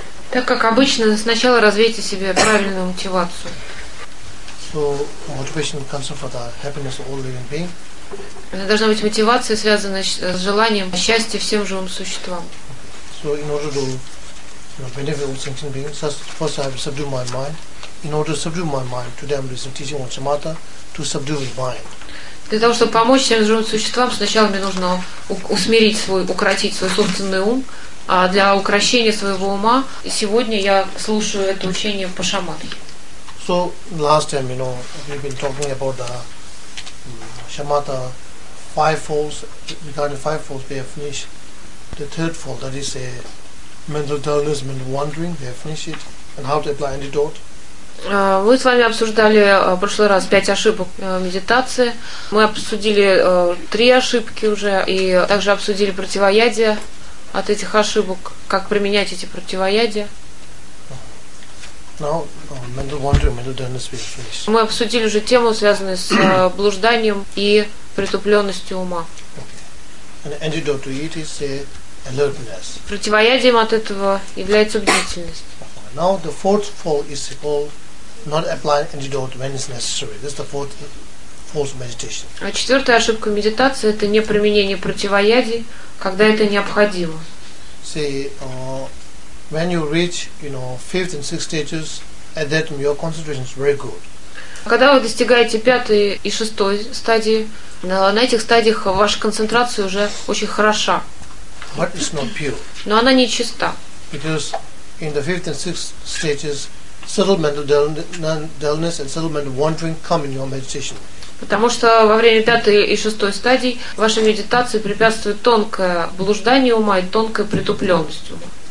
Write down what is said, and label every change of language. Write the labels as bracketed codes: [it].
[ru] Так как обычно, сначала развейте себе правильную мотивацию. [en] So motivation comes from the happiness of all living beings. [ru] Это должна быть мотивация, связанная с желанием счастья всем живым существам. [en] So in order to benefit all sentient beings, first I have to subdue my mind. In order to subdue my mind, today I'm using teaching on samatha to subdue the mind. [ru] Для того, чтобы помочь всем живым существам, сначала мне нужно усмирить свой, укротить свой собственный ум. А для укрощения своего ума сегодня я слушаю это учение по шаматхе. [en] So last time, you know, we've been talking about the shamatha five folds. Regarding five folds, we have finished the third fold, that is a mental dullness, mental wandering. We have finished it, and how to apply antidote. [ru] Мы с вами обсуждали в прошлый раз пять ошибок медитации. Мы обсудили три ошибки уже, и также обсудили противоядие от этих ошибок, как применять эти противоядия. [en] Now, mental wandering, mental dullness we finished. [ru] Мы обсудили уже тему, связанную с блужданием и притупленностью ума. [en] Okay. And antidote to it is alertness. [ru] Противоядием от этого является бдительность. [en] Now the fourth fall is called not applying antidote when it's necessary. This is the fourth fall of meditation. [ru] А четвертая ошибка медитации – это не применение противоядий, когда это необходимо. [en] See, when you reach, you know, fifth and sixth stages, at that time your concentration is very good. [ru] Когда вы достигаете пятой и шестой стадии, на этих стадиях ваша концентрация уже очень хороша. [en] But it's not pure. [ru] Но она не чиста. [en] Because in the fifth and sixth stages, subtle mental dullness and subtle mental wandering come in your meditation. [ru] Потому что во время пятой и шестой стадий ваша медитация препятствует тонкое блуждание ума и тонкой притупленности ума.